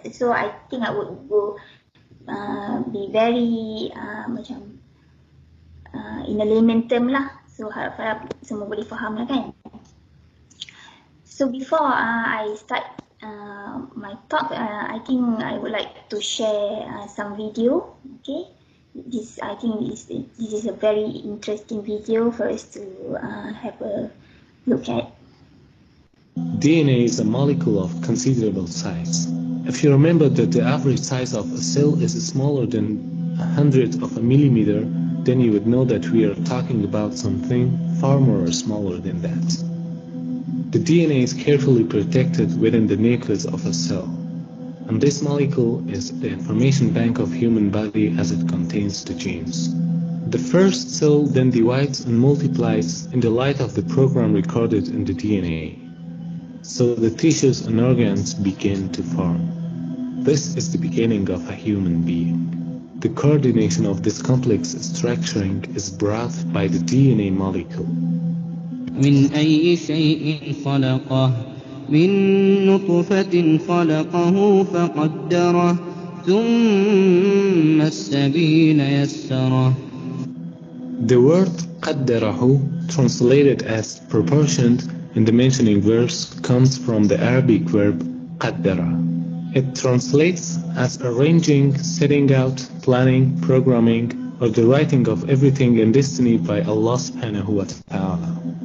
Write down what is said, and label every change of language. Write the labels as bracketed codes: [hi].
[en] So I think I would go be very [ms] macam [en] in a layman term lah. [ms] So harap-harap semua boleh faham lah kan. [en] So before I start my talk, I think I would like to share some video. Okay, this I think this is a very interesting video for us to have a look at. DNA is a molecule of considerable size. If you remember that the average size of a cell is smaller than a hundredth of a millimeter, then you would know that we are talking about something far more smaller than that. The DNA is carefully protected within the nucleus of a cell. And this molecule is the information bank of human body as it contains the genes. The first cell then divides and multiplies in the light of the program recorded in the DNA. So the tissues and organs begin to form. This is the beginning of a human being. The coordination of this complex structuring is brought by the DNA molecule. [ar] من أي شيء خلقه من نطفة خلقه فقدره ثم السبيل يسره. [en] The word قدره, translated as proportioned in the mentioning verse, comes from the Arabic verb قدره. It translates as arranging, setting out, planning, programming, or the writing of everything in destiny by Allah subhanahu wa ta'ala.